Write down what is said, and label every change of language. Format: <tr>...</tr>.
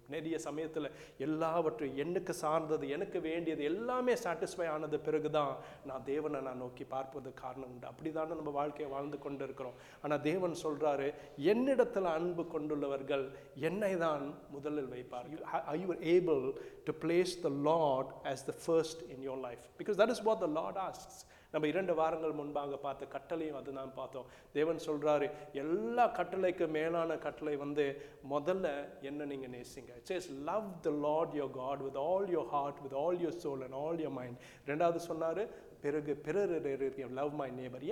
<ta>நிறைய சமயத்தில் எல்லாவற்றையும் எனக்கு சார்ந்தது, எனக்கு வேண்டியது எல்லாமே சாட்டிஸ்ஃபை ஆனது பிறகுதான் நான் தேவனை நான் நோக்கி பார்ப்பது காரணம் உண்டு. அப்படி தானே நம்ம வாழ்க்கையை வாழ்ந்து கொண்டு இருக்கிறோம். ஆனால் தேவன் சொல்றாரு, என்னிடத்தில் அன்பு கொண்டுள்ளவர்கள் என்னை தான் முதலில் வைப்பார்.</ta> <en>You are able to place the Lord as the first in your life because that is what the Lord asks.</en> <ta>நம்ம 2 வாரங்கள் முன்பாக பார்த்த கட்டளையும் அது தான் பார்த்தோம். தேவன் சொல்கிறாரு, எல்லா கட்டளைக்கும் மேலான கட்டளை வந்து முதல்ல என்ன நீங்கள் நேசிங்க,</ta> <en>Just love the Lord your God with all your heart, with all your soul and all your mind.</en> <ta>2வது சொன்னார், பிறகு பிறரையும்</ta> <en>Love my neighbour.</en>